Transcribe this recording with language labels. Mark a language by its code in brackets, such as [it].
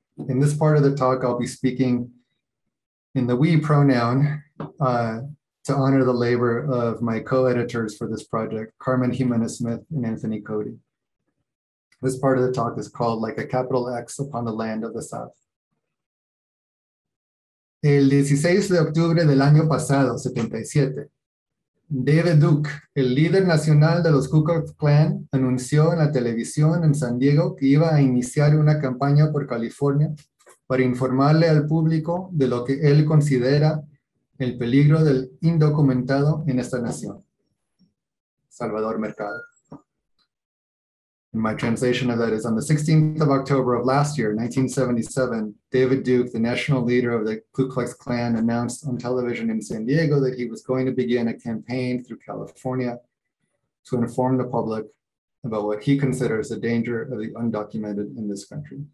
[en] In this part of the talk, I'll be speaking in the we pronoun, to honor the labor of my co-editors for this project, Carmen Jimenez-Smith and Anthony Cody. This part of the talk is called Like a Capital X Upon the Land of the South. [es] El 16 de octubre del año pasado, 77, David Duke, el líder nacional de los Ku Klux Klan, anunció en la televisión en San Diego que iba a iniciar una campaña por California para informarle al público de lo que él considera el peligro del indocumentado en esta nación. Salvador Mercado. [en] And my translation of that is, on the 16th of October of last year, 1977, David Duke, the national leader of the Ku Klux Klan, announced on television in San Diego that he was going to begin a campaign through California to inform the public about what he considers the danger of the undocumented in this country.